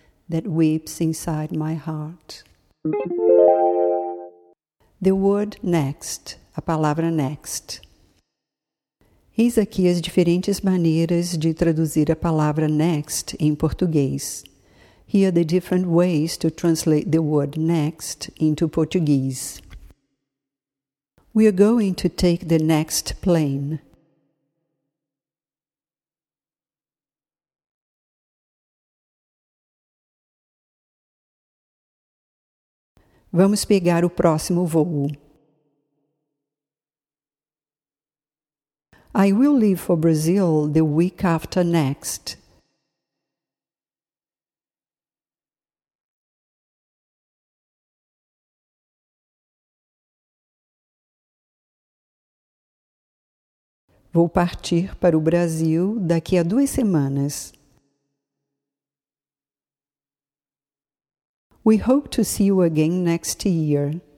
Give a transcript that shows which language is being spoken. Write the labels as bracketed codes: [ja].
[en] That weeps inside my heart. The word next, [pt] a palavra next. Eis aqui as diferentes maneiras de traduzir a palavra next em português. [en] Here are the different ways to translate the word next into Portuguese. We are going to take the next plane. [pt] Vamos pegar o próximo voo. [en] I will leave for Brazil the week after next. [pt] Vou partir para o Brasil daqui a 2 semanas. [en] We hope to see you again next year.